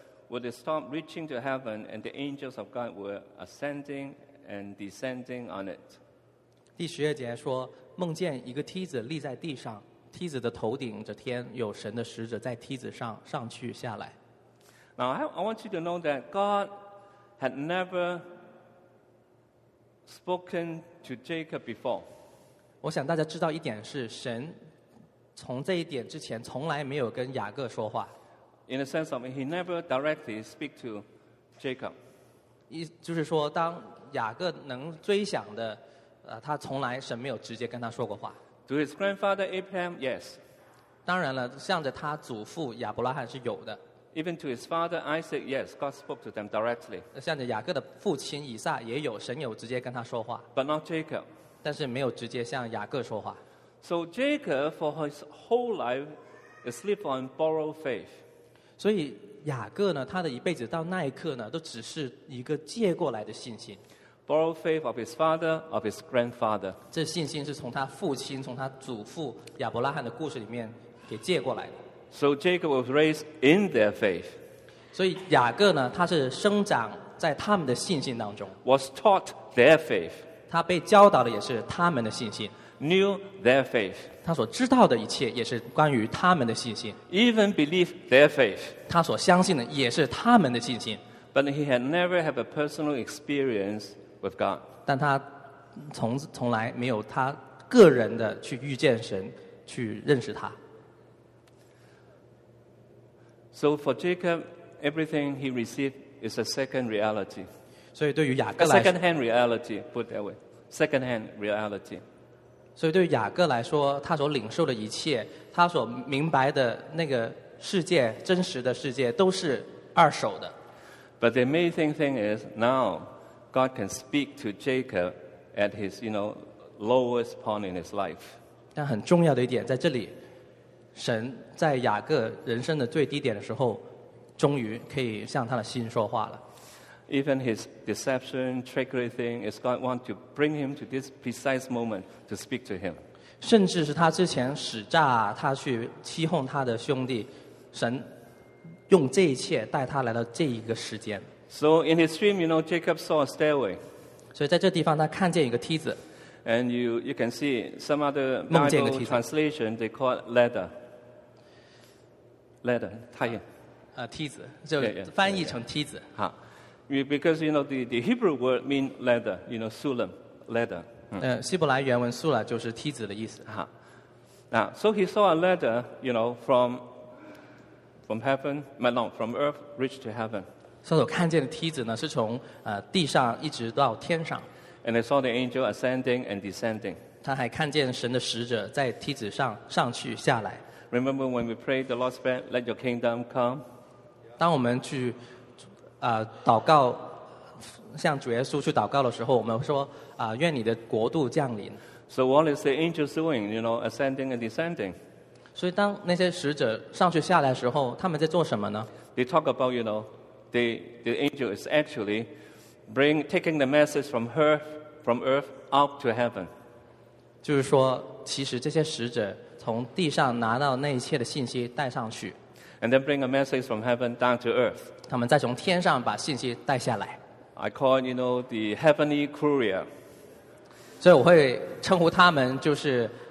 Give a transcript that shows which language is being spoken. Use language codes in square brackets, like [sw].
[en] Would it stop reaching to heaven, and the angels of God were ascending and descending on it. [zh] 第十二节说，梦见一个梯子立在地上，梯子的头顶着天，有神的使者在梯子上上去下来。 [en] Now I want you to know that God had never spoken to Jacob before. [zh] 我想大家知道一点是，神从这一点之前从来没有跟雅各说话。 [en] In the sense of he never directly speak to Jacob. [zh] 就是说当雅各能追想的他从来神没有直接跟他说过话。 [en] To his grandfather Abraham, yes. [zh] 当然了向着他祖父亚伯拉罕是有的。 [en] Even to his father Isaac, yes, God spoke to them directly. [zh] 向着雅各的父亲以撒也有神有直接跟他说话。 [en] But not Jacob. [zh] 但是没有直接向雅各说话。 [en] So Jacob for his whole life is sleep on borrowed faith. [zh] 所以雅各呢，他的一辈子到那一刻呢，都只是一个借过来的信心。 [en] Borrowed faith of his father, of his grandfather. [zh] 这信心是从他父亲，从他祖父亚伯拉罕的故事里面给借过来的。 [en] So Jacob was raised in their faith. [zh] 所以雅各呢，他是生长在他们的信心当中。 [en] Was taught their faith. [zh] 他被教导的也是他们的信心。 [en] Knew their faith. [zh] 他所知道的一切也是关于他们的信心。 [en] Even believe their faith. [zh] 他所相信的也是他们的信心。 [en] But he had never had a personal experience with God. [zh] 但他从来没有他个人的去遇见神，去认识他。 [en] So for Jacob, everything he received is a second reality. [zh] 所以对于雅各来说 [en] ，a second-hand reality, put that way, second-hand reality. [zh] 所以对于雅各来说，他所领受的一切，他所明白的那个世界，真实的世界，都是二手的。 [en] But the amazing thing is now God can speak to Jacob at his, you know, lowest point in his life. [zh] 但很重要的一点在这里，神在雅各人生的最低点的时候，终于可以向他的心说话了。 [en] Even his deception, trickery thing, is God want to bring him to this precise moment to speak to him. [zh] 甚至是他之前使诈，他去欺哄他的兄弟，神用这一切带他来到这一个时间。 [en] So in his dream, you know, Jacob saw a stairway. [zh] 所以在这地方，他看见一个梯子。 [en] And you can see some other Bible translation they call it ladder. Ladder, [zh] 太阳。梯子就翻译成梯子。好。 [en] Because you know the Hebrew word means ladder, you know sulam, ladder. [zh] 希伯来原文 sula 就是梯子的意思。哈、uh-huh. [en] ，Now, so he saw a ladder, you know, from heaven, no, from earth, reach to heaven. [zh] 他所看见的梯子呢，是从地上一直到天上。 [en] And he saw the angel ascending and descending. [zh] 他还看见神的使者在梯子上上去下来。 [en] Remember when we prayed the Lord's Prayer, "Let your kingdom come." [zh] 当我们去祷告向主耶稣去祷告的时候我们说愿你的国度降临 [en] So what is the angels doing, you know, ascending and descending? [zh] 所以当那些使者上去下来的时候他们在做什么呢 [en] They talk about, you know, the angel is actually taking the message from earth up to heaven. [zh] 就是说其实这些使者从地上拿到那一切的信息带上去 [en] And then bring a message from heaven down to earth. [zh] 他们再从天上把信息带下来。 [en] I call you know the heavenly courier. [zh] 所以我会称呼他们就是